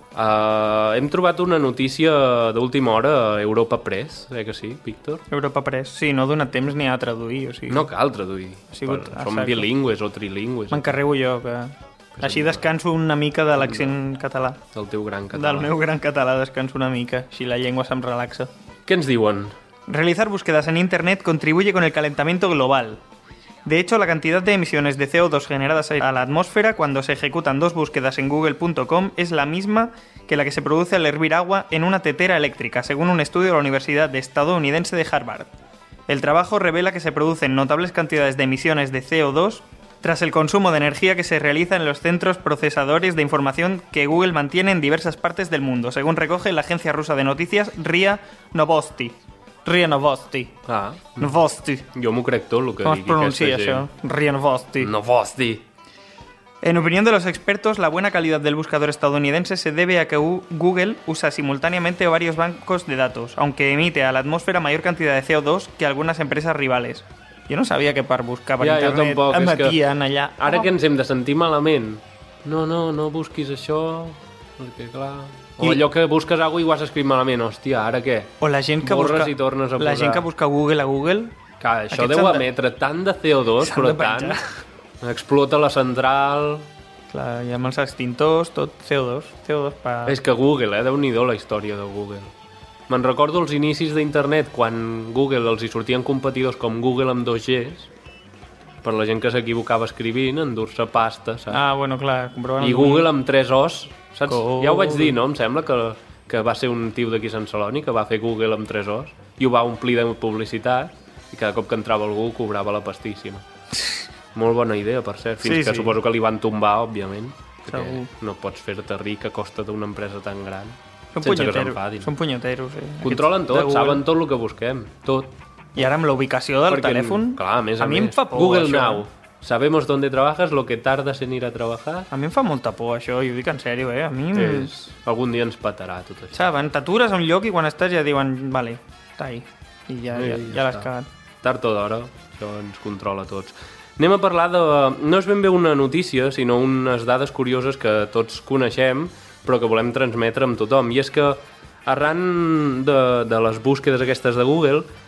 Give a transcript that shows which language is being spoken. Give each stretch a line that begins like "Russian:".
Catalan: Hem trobat una notícia d'última hora a Europa Press, que sí, Víctor? Europa Press, sí, no ha donat temps ni a traduir, o sigui... No cal traduir, ha sigut... Som bilingües o trilingües. M'encarrego jo, que... Així descanso una mica de l'accent català. Del teu gran català. Del meu gran català descanso una mica, així la llengua se'm relaxa. Què ens diuen?
Spanish: Realizar búsquedas en internet contribuye con el calentamiento global. De hecho, la cantidad de emisiones de CO2 generadas a la atmósfera cuando se ejecutan dos búsquedas en google.com es la misma que la que se produce al hervir agua en una tetera eléctrica, según un estudio de la Universidad Estadounidense de Harvard. El trabajo revela que se producen notables cantidades de emisiones de CO2 tras el consumo de energía que se realiza en los centros procesadores de información que Google mantiene en diversas partes del mundo, según recoge la agencia rusa de noticias RIA Novosti.
Catalan: RIA Novosti. Ah. Novosti. Jo m'ho crec tot el que digui aquesta gent. Com es pronuncia això? RIA Novosti. Novosti.
Spanish: En opinión de los expertos, la buena calidad del buscador estadounidense se debe a que Google usa simultáneamente varios bancos de datos, aunque emite a la atmósfera mayor cantidad de CO2 que algunas empresas rivales.
Catalan: Jo no sabia que per buscar per internet emetien allà... Ara que ens hem de sentir malament. No busquis això, perquè clar... O allò que busques alguna cosa i ho has escrit malament, hòstia, ara què? O la gent que borres busca... i tornes a posar. La gent que busca Google a Google... Clar, això deu emetre tant de CO2, però tant... Explota la central... Clar, i amb els extintors, tot CO2. CO2 pa... És que Google, déu-n'hi-do la història de Google. Me'n recordo els inicis d'internet, quan Google els hi sortien competidors com Google amb 2Gs, per la gent que s'equivocava escrivint, endur-se pasta, saps? Ah, bueno, clar, comprovant... I Google amb 3Os... Saps? Ja ho vaig dir, no? Em sembla que va ser un tio d'aquí a Sant Celoni que va fer Google amb 3 Os i ho va omplir de publicitat i cada cop que entrava algú cobrava la pastíssima. Molt bona idea, per cert. Fins sí, que sí. Suposo que li van tombar, òbviament. Segur. No pots fer-te ric a costa d'una empresa tan gran. Són punyeteros. Són punyeteros, sí. Controlen tot, saben tot el que busquem. Tot. I ara amb la ubicació del telèfon... Clar, a mi em fa por, Google això.
English: Now.
Spanish: Sabemos dónde trabajas, lo que tardas en ir a trabajar.
Catalan: A mi em fa molta por, això, i ho dic en sèrio, eh? A mi... És... Algun dia ens petarà tot això. Saben, t'atures a un lloc i quan estàs ja diuen, vale, està ahí. I ja l'has cagat. Tard o d'hora, això ens controla tots. Anem a parlar de... No és ben bé una notícia, sinó unes dades curioses que tots coneixem, però que volem transmetre amb tothom. I és que arran de les búsquedes aquestes de Google...